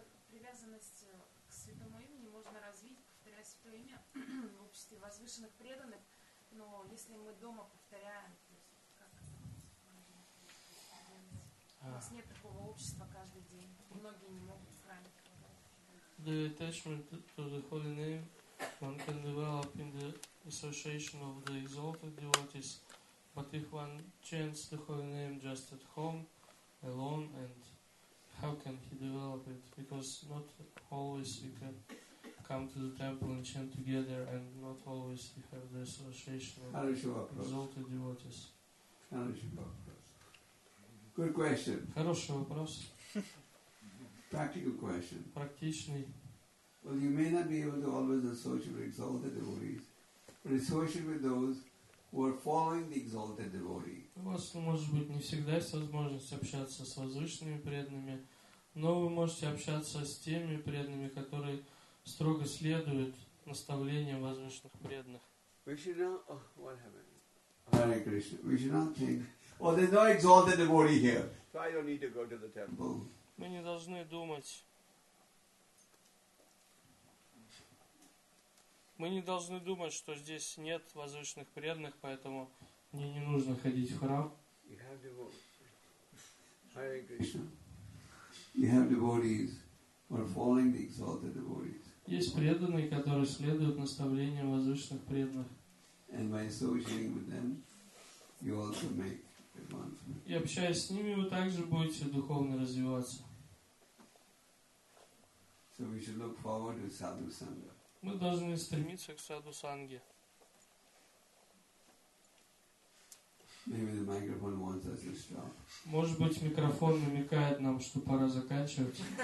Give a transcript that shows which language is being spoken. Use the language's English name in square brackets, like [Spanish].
[Russian] Привязанность к святому имени можно развить, повторяя святое имя в обществе возвышенных преданных, но если мы дома повторяем, то есть как это можно? У нас нет такого общества каждый день. Многие не могут в храме. [English] The attachment to the holy name one can develop in the association of the exalted devotees. But if one chants the holy name just at home, alone, and how can he develop it? Because not always you can come to the temple and chant together, and not always you have the association of exalted devotees. Good question. [Russian] Хороший вопрос. [English] Practical question. [Russian] Практичный. [English] Well, you may not be able to always associate with exalted devotees, but associate with those who are following the exalted devotee. [Russian] У вас, может быть, не всегда есть возможность общаться с возвышенными преданными, Но вы можете общаться с теми преданными, которые строго следуют наставлениям возвышенных преданных. [English] We should not, oh, what happened? Hare Krishna. We should not think, well, there's no exalted devotee here. So I don't need to go to the temple. [Russian] Мы не должны думать. Мы не должны думать, что здесь нет возвышенных преданных, поэтому мне не нужно ходить в храм. [English] You have devotees. Hare Krishna. You have devotees who are following the exalted devotees. [Russian] Есть преданные, которые следуют наставлениям возвышенных преданных. [English] And by associating with them, you also make advancement. [Russian] И общаясь с ними, вы также будете духовно развиваться. [English] So we should look forward to Sadhu Sangha. [Russian] Мы должны стремиться к Саду Санге. [English] Maybe the microphone wants us to stop. [Russian] Может быть, микрофон намекает нам, что пора заканчивать.